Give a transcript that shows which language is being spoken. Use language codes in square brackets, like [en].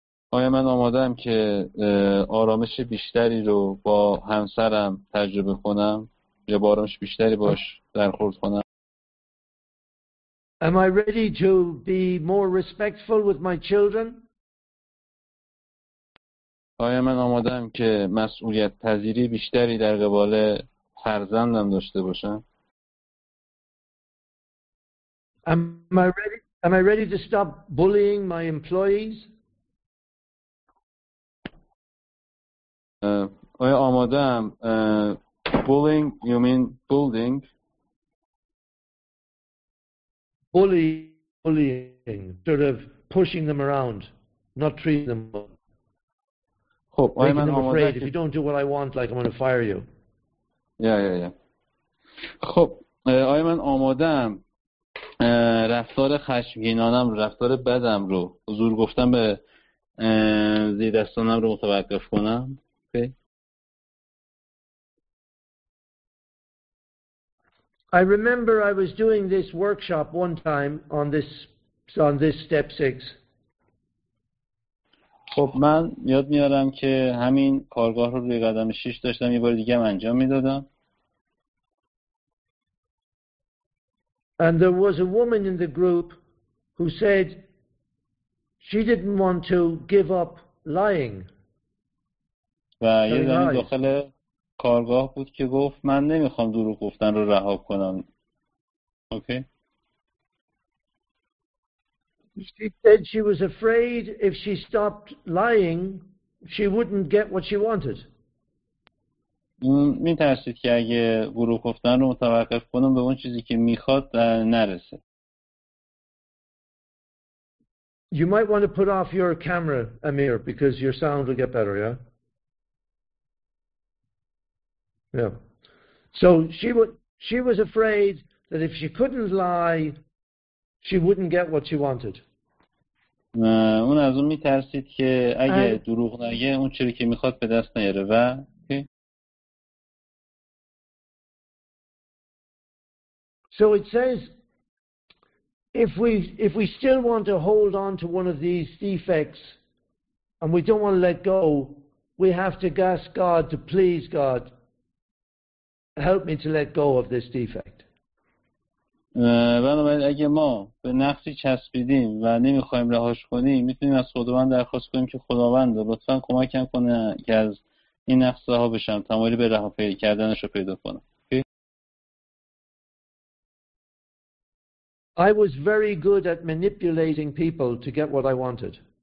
[fa] آیا من آمادم که آرامش بیشتری رو با همسرم تجربه کنم یا با آرامش بیشتری باش درخورد کنم؟ [en] Am I ready to be more respectful with my children? [fa] آیا من آمادم که مسئولیت پذیری بیشتری در قبال فرزندم داشته باشم؟ [en] Am I ready to stop bullying my employees? [fa] آیا آمادم [en] bullying, you mean building? Bullying, sort of pushing them around, not treating them well. [fa] خب آیا من [en] them [fa] آماده که... [en] If you don't do what I want, like I'm going to fire you. Yeah. [fa] خب آیا من آمادم رفتار خشمگینانم رو رفتار بدم رو زور گفتم به زیر دستانم رو متوقف کنم؟ [en] I remember I was doing this workshop one time on this step 6. [fa] خب من یاد میارم که همین کارگاه رو روی قدم 6 داشتم یه بار دیگه هم انجام میدادم. [en] And there was a woman in the group who said she didn't want to give up lying. [fa] و یه زنی داخل کارگاه بود که گفت من نمیخوام دروغ گفتن رو رها کنم. اوکی. [en] She said she was afraid if she stopped lying she wouldn't get what she wanted. [fa] میترسید که اگه دروغ گفتن رو متوقف کنم به اون چیزی که میخواد نرسه. [en] You might want to put off your camera, Amir, because your sound will get better, yeah? Yeah. So she was afraid that if she couldn't lie, she wouldn't get what she wanted. [fa] اون از اون میترسید که اگه دروغ نگه اون چیزی که میخواد به دست نیاره و [en] So it says if we still want to hold on to one of these defects and we don't want to let go, we have to ask God to please God. Help me to let go of this defect. [fa] بنابراین اگه ما به نقصی چسبیدیم و نمیخوایم رهاش کنیم میتونیم از خداوند درخواست کنیم که خداوند لطفا کمکم کنه که از این نقص رها بشم تمایلی به رها پیدا کردنش رو پیدا کنم. [en] I was very good at manipulating people to get what I wanted.